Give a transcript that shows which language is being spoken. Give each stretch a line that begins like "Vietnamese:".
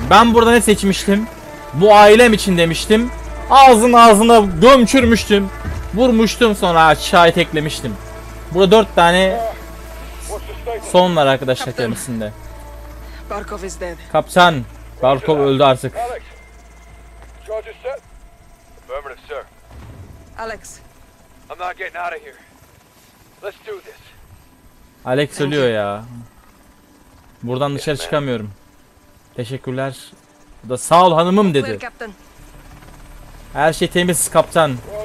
Turkish: Ben burada ne seçmiştim? Bu ailem için demiştim. Ağzını ağzına gömçürmüştüm. Vurmuştum sonra aşağıya teklemiştim. Burada 4 tane son var arkadaşlar kendisinde.
English: Barkov is dead.
Turkish: Kaptan, Barkov öldü artık.
English: Alex. George is set. Affirmative, sir. Alex. I'm not getting out of here. Let's do this.
Turkish: Alex ölüyor ya. Buradan dışarı çıkamıyorum. Teşekkürler. Bu da sağ ol hanımım dedi. Her şey temiz kaptan.